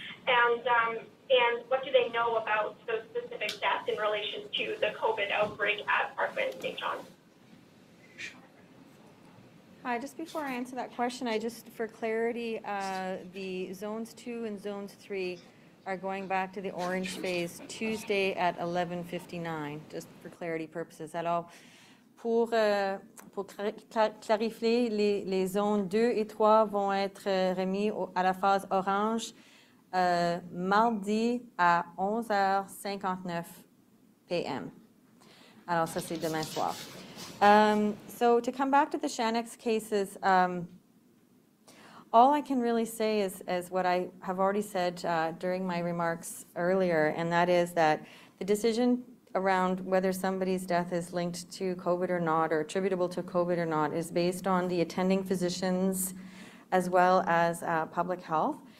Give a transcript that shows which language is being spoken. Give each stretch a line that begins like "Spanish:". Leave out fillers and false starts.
English: And what do they know about those specific deaths in relation to the COVID outbreak at Parkland St. John? Hi, just before I answer that question, I just, for clarity, the zones 2 and zones 3 are going back to the orange phase Tuesday at 11:59, just for clarity purposes.
French: Alors, pour clarifier, les zones 2 et 3 vont être remis à la phase orange mardi à 11:59 p.m. Alors, ça c'est demain soir.
English: So to come back to the Shanix cases, all I can really say is what I have already said during my remarks earlier, and that is that the decision around whether somebody's death is linked to COVID or not, or attributable to COVID or not, is based on the attending physicians as well as public health.